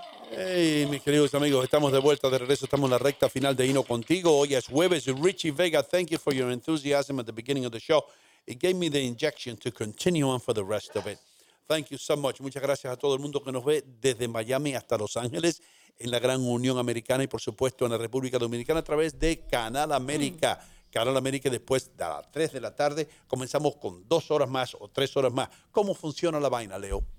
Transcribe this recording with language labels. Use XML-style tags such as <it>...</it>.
<es>Hey, mis queridos amigos, estamos de vuelta, de regreso, estamos en la recta final de Hino Contigo. Hoy es jueves,</es> <en>Richie Vega, thank you for your enthusiasm at the beginning of the show. It gave me the injection to continue on for the rest of it. Thank you so much.</en> <es>Muchas gracias a todo el mundo que nos ve desde Miami hasta Los Ángeles, en la Gran Unión Americana y, por supuesto, en la República Dominicana a través de Canal América. Canal América, después de las 3 de la tarde, comenzamos con 2 horas más o 3 horas más. ¿Cómo funciona la vaina, Leo?</es>